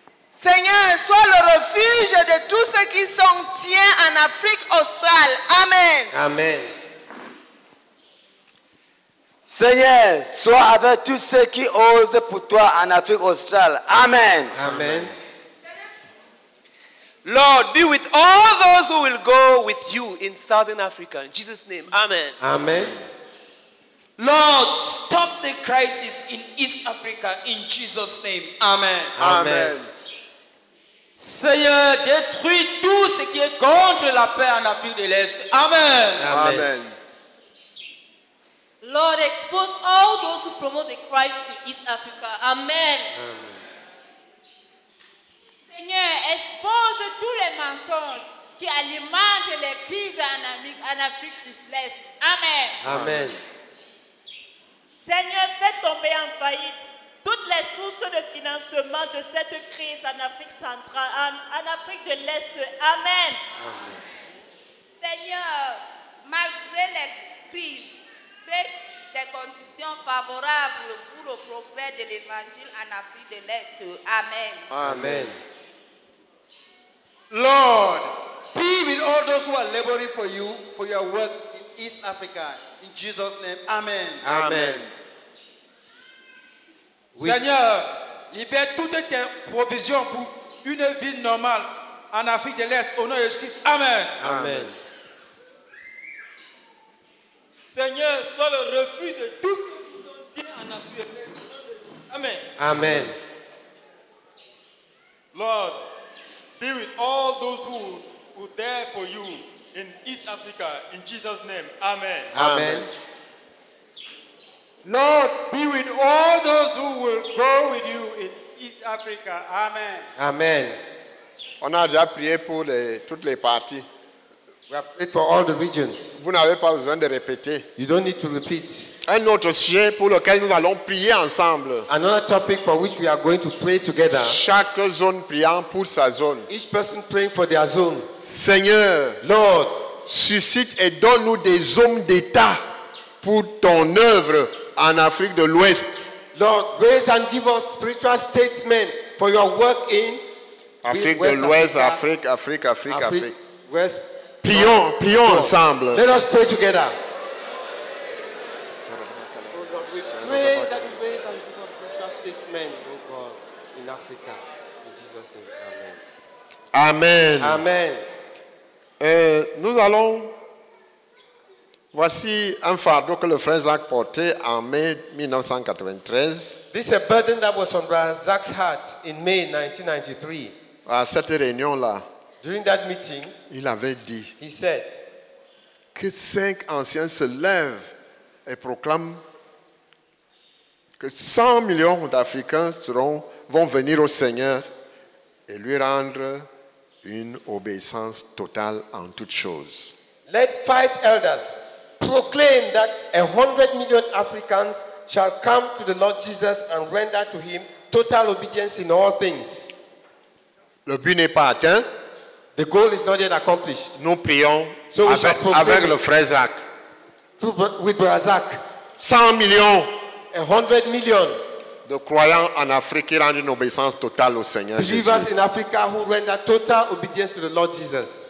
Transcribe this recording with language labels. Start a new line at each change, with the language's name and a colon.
French: Seigneur, sois le refuge de tous ceux qui sont tiens en Afrique australe. Amen. Amen. Seigneur, sois avec tous ceux qui osent pour toi en Afrique australe. Amen. Amen.
English: Lord, be with all those who will go with you in Southern Africa. In Jesus' name, amen. Amen. Lord, stop the crisis in East Africa in Jesus' name, amen. Amen.
French: Seigneur, détruis tout ce qui est contre la paix en Afrique de l'Est. Amen. Amen.
English: Lord, expose all those who promote the crisis in East Africa. Amen. Amen.
French: Seigneur, expose tous les mensonges qui alimentent les crises en Afrique de l'Est. Amen. Amen. Seigneur, fais tomber en faillite toutes les sources de financement de cette crise en Afrique centrale, en Afrique de l'Est. Amen. Amen. Seigneur, malgré les crises, fais des conditions favorables pour le progrès de l'Évangile en Afrique de l'Est. Amen. Amen.
English: Lord, be with all those who are laboring for you, for your work in East Africa. In Jesus' name, amen. Amen.
French: Oui. Seigneur, libère toutes tes provisions pour une vie normale en Afrique de l'Est. Au nom de Jésus-Christ, amen. Amen. Amen. Seigneur, sois le refuge de tous ceux qui sont tirés en Afrique de l'Est. Amen. Amen.
English: Lord, be with all those who dare for you in East Africa, in Jesus' name. Amen. Amen. Lord, be with all those who will go with you in East Africa. Amen. Amen.
French: On a déjà prié pour toutes les parties.
English: We have prayed for all the regions.
French: Vous n'avez pas besoin de répéter.
English: You don't need to repeat.
French: Un autre sujet pour lequel nous allons prier ensemble.
English: Another topic for which we are going to pray together.
French: Chaque zone priant pour sa zone.
English: Each person praying for their zone.
French: Seigneur,
English: Lord,
French: suscite et donne-nous des hommes d'État pour ton œuvre en Afrique de l'Ouest.
English: Lord, raise and give us spiritual statesmen for your work in
French: Afrique de l'Ouest, Afrique.
English: West.
French: Prions ensemble.
English: Let us pray together. Lord, we pray that you raise and give us spiritual statesmen, O God, in Africa. In Jesus' name, amen. Amen. Amen.
French: Nous allons. Voici un fardeau que le frère Zach portait en mai 1993.
English: This is a burden that was on Brother Zach's heart in May 1993.
French: À cette réunion-là.
English: During that meeting,
French: il avait dit,
English: he said,
French: que cinq anciens se lèvent et proclament que 100 millions d'Africains vont venir au Seigneur et lui rendre une obéissance totale en toutes choses.
English: Let five elders proclaim that 100 million Africans shall come to the Lord Jesus and render to him total obedience in all things.
French: Le but n'est pas atteint.
English: The goal is not yet accomplished.
French: Nous prions
English: so we shall proclaim
French: avec le frère Zach.
English: With Brother Zach.
French: 100 millions.
English: 100 million.
French: De croyants en Afrique qui rendent une obéissance totale au Seigneur Jésus.
English: Believers in Africa who render total obedience to the Lord Jesus.